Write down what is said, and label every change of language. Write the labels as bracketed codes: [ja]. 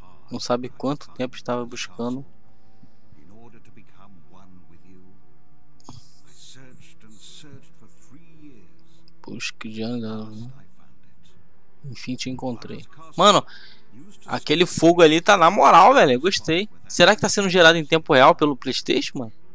[pt] Não sabe quanto tempo estava buscando. [en] In order to become one with you, I searched and searched for 3 years. [pt] Busque de andar, né? Enfim, te encontrei. Mano! Aquele fogo ali tá na moral, velho. Eu gostei. Será que tá sendo gerado em tempo real pelo PlayStation, mano?